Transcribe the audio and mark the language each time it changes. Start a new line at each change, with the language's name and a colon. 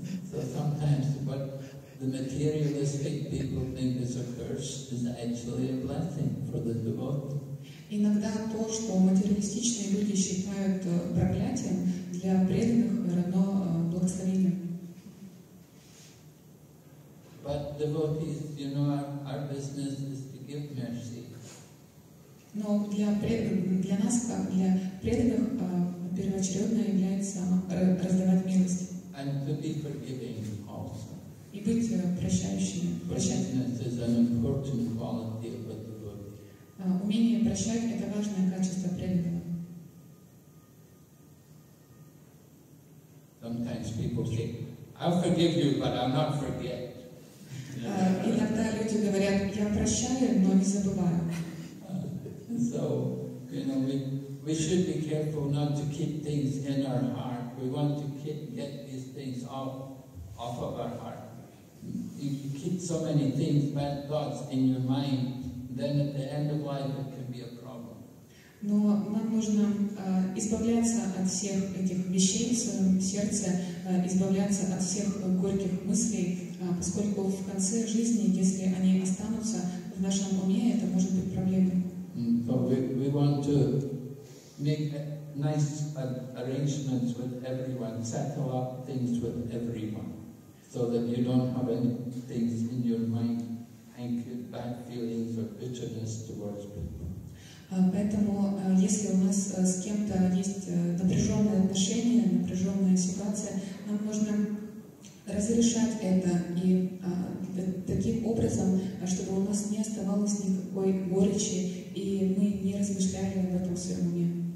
English: So sometimes, but the materialistic people think it's a curse, is actually a blessing for the devotee.
Russian: Иногда то, что материалистичные люди считают проклятием, для преданных равно благословению.
English: But devotees, you know, our business is to give mercy.
Russian: Но для нас, как для преданных, первоочередно является раздавать милость.
English: And to be forgiving also.
Russian: И быть прощающими.
English: Forgiveness is an important quality of a devotee.
Russian: Умение прощать — это важное качество преданного.
English: Sometimes people say, I'll forgive you, but I'll not forget.
Russian: Иногда люди говорят, я прощаю, но не забываю.
English: So, you know, we should be careful not to keep things in our heart. We want to get these things off of our heart. If you keep so many things, bad thoughts in your mind, then at the end of life it can be a problem.
Russian: Но нам нужно избавляться от всех этих вещей в своем сердце, избавляться от всех горьких мыслей, поскольку в конце жизни, если они останутся в нашем уме, это может быть проблемой.
English: So we want to make nice arrangements with everyone, settle up things with everyone. So that you don't have any things in your mind, bad feelings or bitterness towards people.
Russian: Поэтому, если у нас с кем-то есть напряженные отношения, напряженная ситуация, нам нужно разрешать это и таким образом, чтобы у нас не оставалось никакой горечи, и мы не размышляли об этом все равно.